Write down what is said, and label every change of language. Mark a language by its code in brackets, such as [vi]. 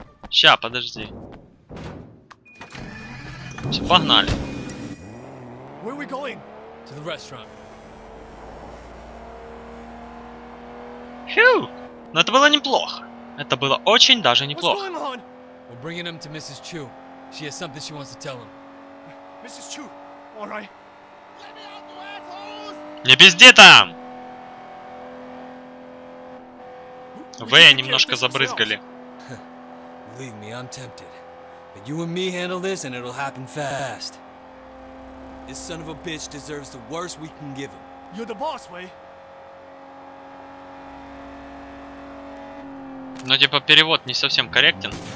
[ru] Ща, подожди. Всё, погнали. [en] Where are we going? To the restaurant. [ru] Фью! Но это было неплохо. Это было очень даже неплохо. [en] What's going on? We're bringing him to Mrs. Chu. She has something she wants to tell him. Mrs. Chu, all right. [ru] Не пизди там! Вы немножко забрызгали. [en] Believe me, I'm tempted. But you and me handle this, and it'll happen fast. This son of a bitch deserves the worst we can give him. You're the boss, Way. [ru] Ну, типа, перевод не совсем корректен.